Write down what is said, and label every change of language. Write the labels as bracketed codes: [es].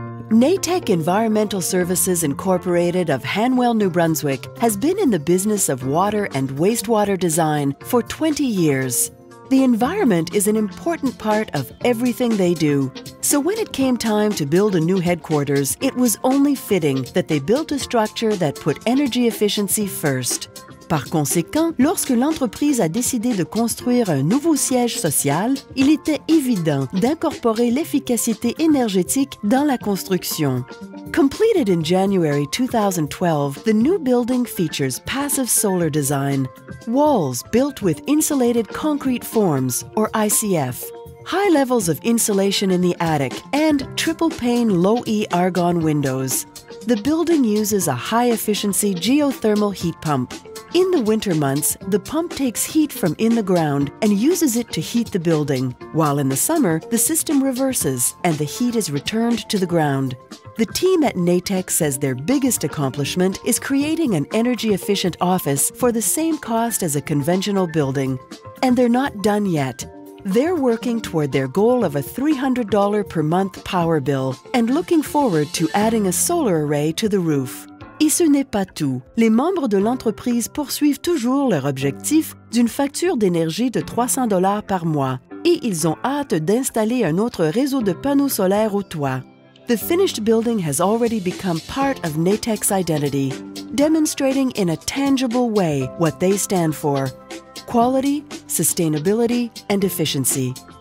[en] NATECH Environmental Services Incorporated of Hanwell, New Brunswick has been in the business of water and wastewater design for 20 years. The environment is an important part of everything they do. So when it came time to build a new headquarters, it was only fitting that they built a structure that put energy efficiency first. [fr] Par conséquent, lorsque l'entreprise a décidé de construire un nouveau siège social, il était évident d'incorporer l'efficacité énergétique dans la construction. [en] Completed in January 2012, the new building features passive solar design, walls built with insulated concrete forms, or ICF, high levels of insulation in the attic, and triple-pane low-E argon windows. The building uses a high-efficiency geothermal heat pump. In the winter months, the pump takes heat from in the ground and uses it to heat the building, while in the summer, the system reverses and the heat is returned to the ground. The team at NATECH says their biggest accomplishment is creating an energy-efficient office for the same cost as a conventional building. And they're not done yet. They're working toward their goal of a $300 per month power bill and looking forward to adding a solar array to the roof. [fr] Et ce n'est pas tout. Les membres de l'entreprise poursuivent toujours leur objectif d'une facture d'énergie de $300 par mois et ils ont hâte d'installer un autre réseau de panneaux solaires au toit. [en] The finished building has already become part of NATECH's identity, demonstrating in a tangible way what they stand for: quality, sustainability, and efficiency.